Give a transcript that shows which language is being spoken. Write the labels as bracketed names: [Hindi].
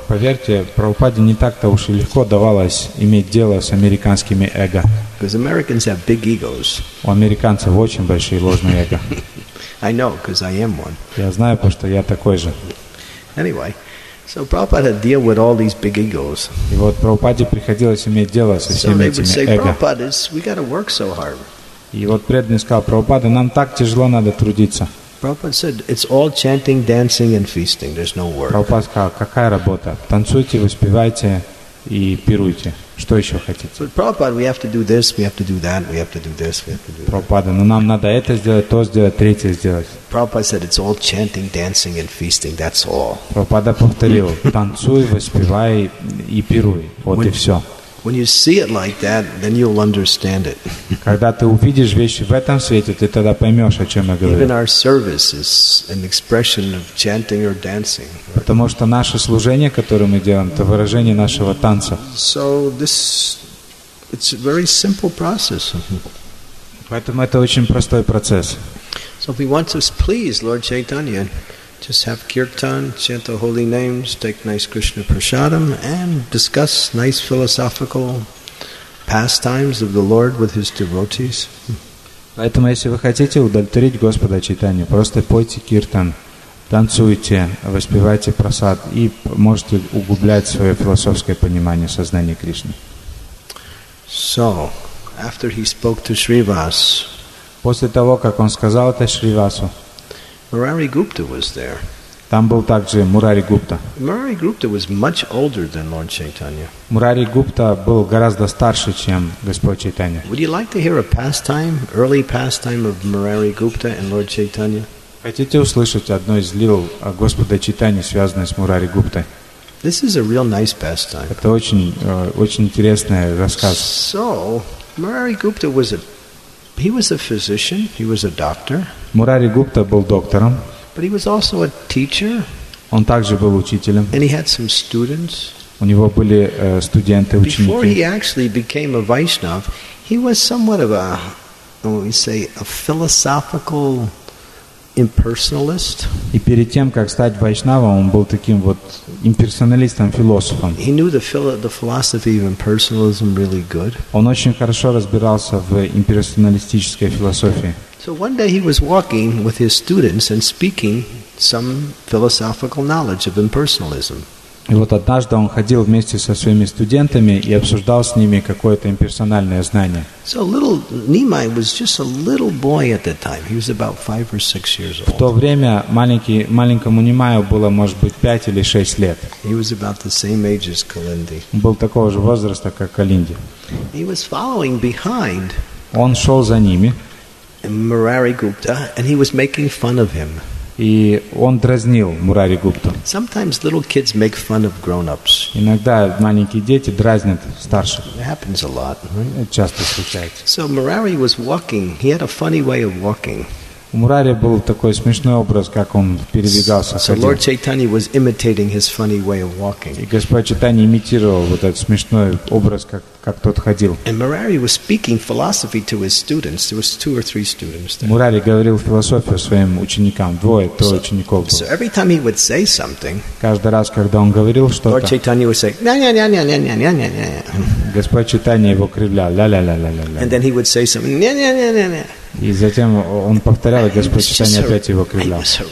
[Russian] Поверьте, Прабхупаде не так-то уж и легко давалось иметь дело с американскими эго. [English] Because Americans have big egos. [Russian] У американцев очень большие ложные эго. [English] I know, because I am one. [Russian] Я знаю, потому что я такой же. [English] Anyway, so Prabhupada had to deal with all these big egos. [Russian] И вот Прабхупаде приходилось иметь дело со всеми этими эго. [English] Prabhupada, we got to work so hard. [Russian] И вот преданный сказал, Прабхупада, нам так тяжело надо трудиться. [English] Prabhupada said, it's all chanting, dancing and feasting. There's no work. [Russian] Прабхупада сказал, какая работа? Танцуйте, воспевайте и пируйте. Что еще хотите? [English] But Prabhupada, we have to do this, we have to do that, we have to do this, we have to do that. [Russian] Прабхупада, но нам надо это сделать, то сделать, третье сделать. [English] Prabhupada said, it's all chanting, dancing and feasting. That's all. [Russian] Прабхупада повторил, танцуй, воспевай и пируй. Вот и все. [English] When you see it like that, then you'll understand it. [Russian] Когда ты увидишь вещи в этом свете, ты тогда поймешь, о чем я говорю. [English] Even our service is an expression of chanting or dancing. [Russian] Потому что наше служение, которое мы делаем, это выражение нашего танца. [English] So this, it's a very simple process. [Russian] Поэтому это очень простой процесс. [English] So if we want to please Lord Chaitanya, just have kirtan, chant the holy names, take nice Krishna prasadam, and discuss nice philosophical pastimes of the Lord with his devotees. [Russian] Поэтому, если вы хотите удовлетворить Господа Чайтанью, просто пойте киртан, танцуйте, воспевайте прасад, и можете углублять свое философское понимание сознания Кришны. [English] So, after he spoke to Шривас, [Russian] после того, как он сказал это Шривасу, [English] Murari Gupta was there. [Russian] Там был также Мурари Гупта. [English] Murari Gupta was much older than Lord Chaitanya. [Russian] Мурари Гупта был гораздо старше, чем Господь Чайтанья. [English] Would you like to hear a pastime, early pastime of Murari Gupta and Lord Chaitanya? [Russian] Хотите услышать одно из лил Господа Чайтаньи, связанное с Мурари Гуптой? [English] This is a real nice pastime. [Russian] Это очень интересный рассказ. [English] So, Murari Gupta was a physician, he was a doctor. [Russian] Мурари Гупта был доктором. [English] But he was also a teacher. [Russian] Он также был учителем. [English] And he had some students. [Russian] У него были студенты, ученики. [English] Before he actually became a Vaishnav, he was somewhat of a, what would we say, a philosophical impersonalist. [Russian] И перед тем, как стать вайшнавом, он был таким вот имперсоналистом, философом. [English] He knew the philosophy of impersonalism really good. [Russian] Он очень хорошо разбирался в имперсоналистической философии. [English] So one day he was walking with his students and speaking some philosophical knowledge of impersonalism. [Russian] И вот однажды он ходил вместе со своими студентами и обсуждал с ними какое-то имперсональное знание. [English] So little Nimai was just a little boy at that time. He was about 5 or 6 years old. [Russian] В то время маленькому Нимаю было, может быть, 5 или 6 лет. [English] He was about the same age as Kalindi. [Russian] Он был такого же возраста, как Калинди. [English] He was following behind. [Russian] Он шел за ними. [English] Murari Gupta, and he was making fun of him. [Russian] И он дразнил Мурари Гупту. [English] Sometimes little kids make fun of grown-ups. [Russian] Иногда маленькие дети дразнят старших. [English] It happens a lot. [Russian] Часто случается. [English] So Murari was walking. He had a funny way of walking. [Russian] У Мурари был такой смешной образ, как он передвигался. [English] So Lord Chaitanya was imitating his funny way of walking. [Russian] И Господь Чайтанья имитировал вот этот смешной образ, как тот ходил. [English] And Murari was speaking philosophy to his students. There was two or three students there. [Russian] Мурари говорил философию своим ученикам, трое учеников было. [English] So every time he would say something, [Russian] каждый раз, когда он говорил что-то, [English] Lord Chaitanya would say, ня-ня-ня-ня-ня-ня-ня-ня-ня. [Russian] Господь Чайтанья его кривлял, ля-ля-ля-ля-ля-ля. [English] And then he would say something, ня-ня-ня-ня-ня. [Russian] И затем он повторял, и Господь Чайтанья опять его кривлял.